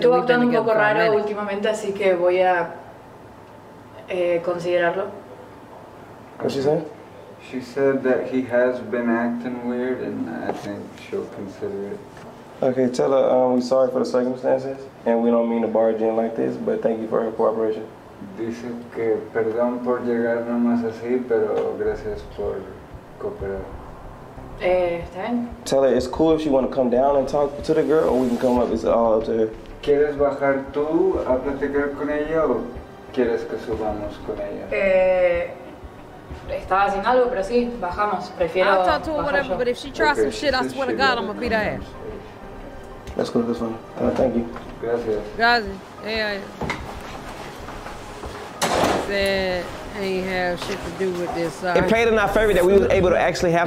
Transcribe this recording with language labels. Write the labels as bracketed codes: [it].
[es] Estuvo actuando un poco raro últimamente, así que voy a considerarlo. [en] What she said? She said that he has been acting weird, and I think she'll consider it. Okay, tell her we're sorry for the circumstances, and we don't mean to barge in like this, but thank you for her cooperation. [es] Dice que perdón por llegar nomás así, pero gracias por cooperar. Está bien. [en] Tell her it's cool if she want to come down and talk to the girl, or we can come up, it's all up to her. [es] ¿Quieres bajar tú a platicar con ella, o quieres que subamos con ella? Estaba sin algo, pero sí, bajamos. Prefiero [en] I'll talk to her, whatever, but if she tries some shit, I swear to God, I'm gonna beat her ass. Let's go to this one. Thank you. [es] Gracias. Gracias. [en] Hey, said ain't have shit to do with this. Sorry. It played in our favor that we were able to actually have